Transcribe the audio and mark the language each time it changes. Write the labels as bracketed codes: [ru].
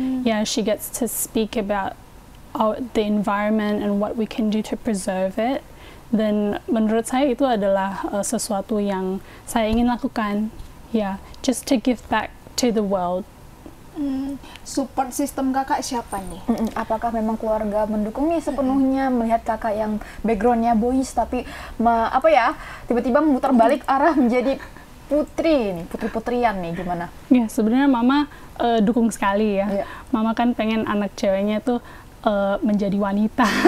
[en] Yeah, she gets to speak about the environment and what we can do to preserve it. [id] Dan menurut saya itu adalah sesuatu yang saya ingin lakukan. [en] Yeah, just to give back to the world. Support system [id] kakak siapa nih? Apakah memang keluarga mendukungnya sepenuhnya? Melihat kakak yang backgroundnya boys tapi tiba-tiba memutar balik arah menjadi putri nih, putri-putrian nih, gimana? Ya, yeah, sebenarnya mama dukung sekali ya. Yeah. Mama kan pengen anak ceweknya tuh menjadi wanita.